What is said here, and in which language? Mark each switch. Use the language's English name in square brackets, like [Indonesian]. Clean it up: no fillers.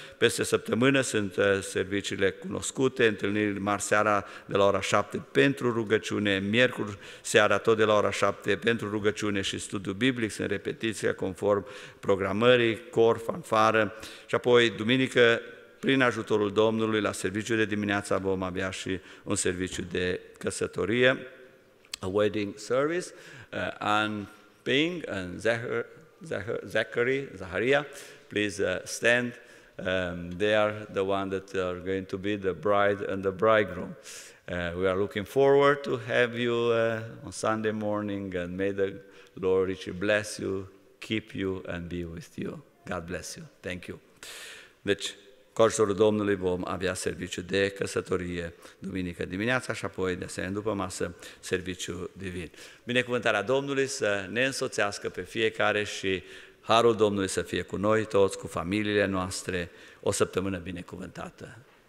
[Romanian] Peste săptămână sunt serviciile cunoscute, întâlniri marți seara de la ora 7 pentru rugăciune, miercuri seara tot de la ora 7 pentru rugăciune și studiu biblic, sunt repetiția conform programării, cor, fanfară și apoi duminică, prin ajutorul Domnului, la serviciu de dimineață vom avea și un serviciu de căsătorie, [English] a wedding service, and Ping and Zacharia, please stand, they are the one that are going to be the bride and the bridegroom. We are looking forward to have you on Sunday morning, and may the Lord richly bless you, keep you and be with you. God bless you. Thank you. [Romanian] Deci, cu ajutorul Domnului vom avea serviciu de căsătorie duminică dimineața și apoi, de asemenea, după masă, serviciu divin. Binecuvântarea Domnului să ne însoțească pe fiecare și harul Domnului să fie cu noi toți, cu familiile noastre, o săptămână binecuvântată.